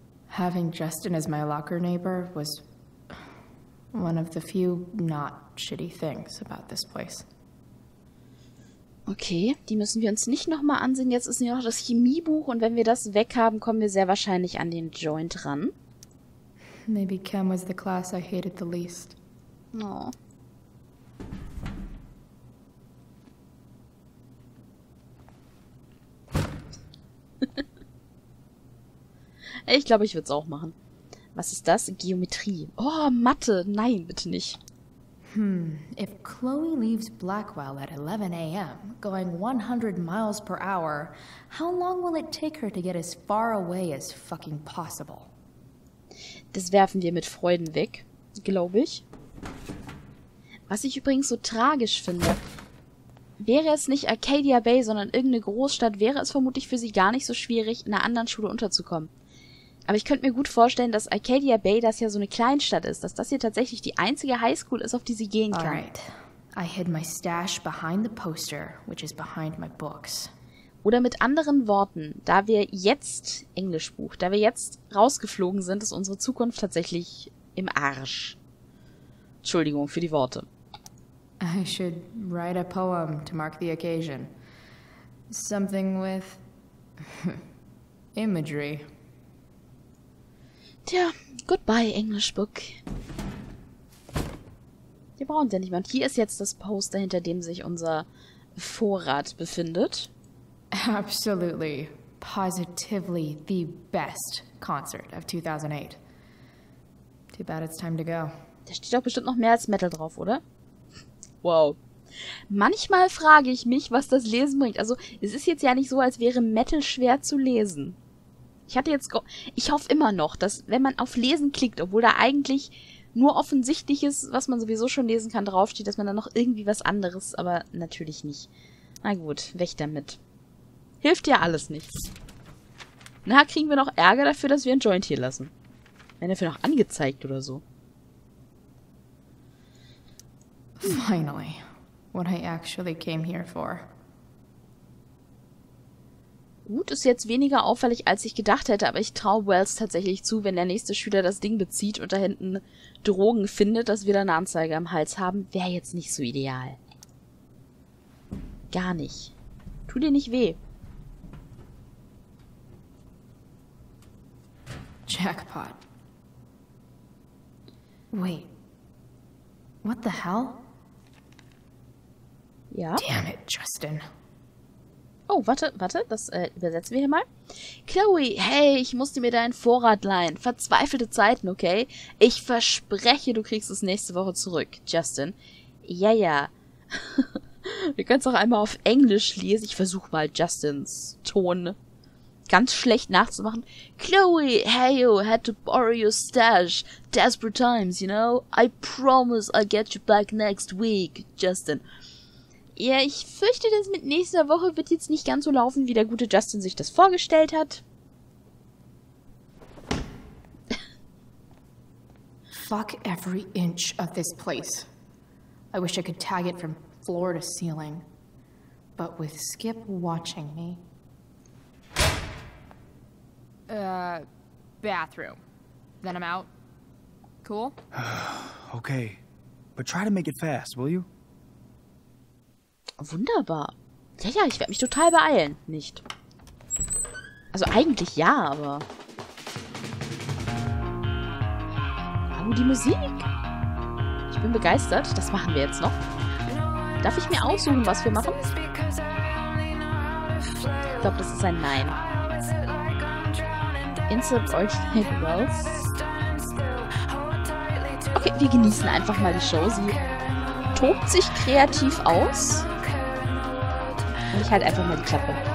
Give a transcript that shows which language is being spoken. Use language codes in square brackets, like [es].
[en] Having Justin as my locker neighbor was one of the few not shitty things about this place. [de] Okay, die müssen wir uns nicht nochmal ansehen. Jetzt ist nur noch das Chemiebuch und wenn wir das weg haben, kommen wir sehr wahrscheinlich an den Joint ran. [en] Maybe Cam was the class I hated the least. Oh. [de] Ich glaube, ich würde es auch machen. Was ist das? Geometrie. Oh, Mathe. Nein, bitte nicht. [en] Hm, if Chloe leaves Blackwell at 11 a.m., going 100 miles per hour, how long will it take her to get as far away as fucking possible? [de] Das werfen wir mit Freuden weg, glaube ich. Was ich übrigens so tragisch finde, wäre es nicht Arcadia Bay, sondern irgendeine Großstadt, wäre es vermutlich für sie gar nicht so schwierig, in einer anderen Schule unterzukommen. Aber ich könnte mir gut vorstellen, dass Arcadia Bay das ja so eine Kleinstadt ist, dass das hier tatsächlich die einzige Highschool ist, auf die sie gehen kann. [en] Alright. I hid my stash behind the poster, which is behind my books. [de] Oder mit anderen Worten, da wir jetzt, Englischbuch, da wir jetzt rausgeflogen sind, ist unsere Zukunft tatsächlich im Arsch. Entschuldigung für die Worte. [en] I should write a poem to mark the occasion. Something with imagery. Tja, goodbye, English Book. [de] Wir brauchen sie ja nicht mehr. Und hier ist jetzt das Poster, hinter dem sich unser Vorrat befindet. [en] Absolutely, positively the best concert of 2008. Too bad it's time to go. [de] Da steht doch bestimmt noch mehr als Metal drauf, oder? Wow. Manchmal frage ich mich, was das Lesen bringt. Also, es ist jetzt ja nicht so, als wäre Metal schwer zu lesen. Ich hoffe immer noch, dass wenn man auf Lesen klickt, obwohl da eigentlich nur Offensichtliches, was man sowieso schon lesen kann, draufsteht, dass man da noch irgendwie was anderes, aber natürlich nicht. Na gut, weg damit. Hilft ja alles nichts. Na, kriegen wir noch Ärger dafür, dass wir ein Joint hier lassen. Wenn dafür noch angezeigt oder so. [en] Finally, what I actually came here for. [de] Gut, ist jetzt weniger auffällig, als ich gedacht hätte, aber ich traue Wells tatsächlich zu, wenn der nächste Schüler das Ding bezieht und da hinten Drogen findet, dass wir dann eine Anzeige am Hals haben. Wäre jetzt nicht so ideal. Gar nicht. Tu dir nicht weh. [en] Jackpot. Wait. What the hell? [de] Ja? [en] Damn it, Justin. [de] Oh, warte, das übersetzen wir hier mal. Chloe, hey, ich musste mir deinen Vorrat leihen. Verzweifelte Zeiten, okay? Ich verspreche, du kriegst es nächste Woche zurück, Justin. Ja, ja. Wir können es auch einmal auf Englisch lesen. Ich versuche mal, Justins Ton ganz schlecht nachzumachen. [en] Chloe, hey, you had to borrow your stash. Desperate times, you know? I promise I'll get you back next week, Justin. [de] Ja, ich fürchte, das mit nächster Woche wird jetzt nicht ganz so laufen, wie der gute Justin sich das vorgestellt hat. [en] Fuck every inch of this place. I wish I could tag it from floor to ceiling. But with Skip watching me... Bathroom. Then I'm out. Cool? Okay. But try to make it fast, will you? [de] Wunderbar. Ja, ja, ich werde mich total beeilen. Nicht. Also eigentlich ja, aber... Oh, die Musik. Ich bin begeistert. Das machen wir jetzt noch. Darf ich mir aussuchen, was wir machen? Ich glaube, das ist ein Nein. [en] Insert alternate wells. [de] Okay, wir genießen einfach mal die Show. Sie tobt sich kreativ aus. Ich halt einfach mal die Klappe.